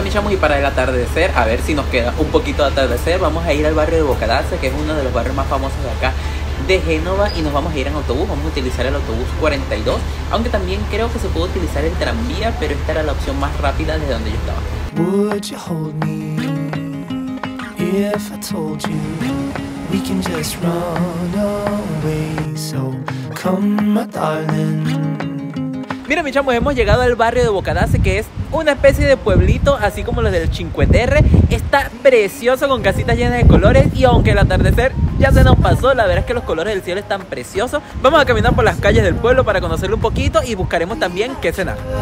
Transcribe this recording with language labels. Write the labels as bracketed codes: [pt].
[es] Y para el atardecer, a ver si nos queda un poquito de atardecer, vamos a ir al barrio de Bocadasse, que es uno de los barrios más famosos de acá de Génova, y nos vamos a ir en autobús. Vamos a utilizar el autobús 42, aunque también creo que se puede utilizar el tranvía, pero esta era la opción más rápida desde donde yo estaba. [en] Would you hold me if I told you we can just run away? So come my darling. [es] Mira, mis chamos, hemos llegado al barrio de Bocadasse, que es una especie de pueblito, así como los del Cinque Terre. Está precioso, con casitas llenas de colores, y aunque el atardecer Ya se nos pasó, la verdad es que los colores del cielo están preciosos. Vamos a caminar por las calles del pueblo para conocerlo un poquito y buscaremos también qué cenar.